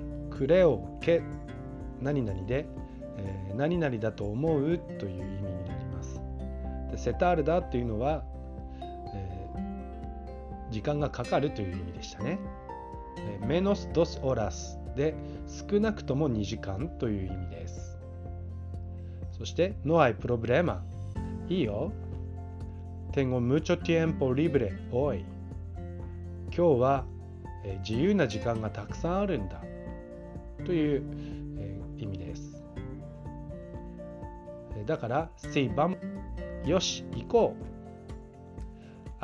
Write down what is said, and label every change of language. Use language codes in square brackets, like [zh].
[es] creo que [ja] 何々で、何々だと思うという意味になります。で、 [es] se tarda [ja] というのは、時間がかかるという意味でしたね。 [es] menos dos horas [ja] で少なくとも2時間という意味です。そして [es] no hay problema [ja] いいよ。 [es] tengo mucho tiempo libre hoy [ja] 今日は自由な時間がたくさんあるんだという意味です。だから [es] see bam [ja] よし行こう。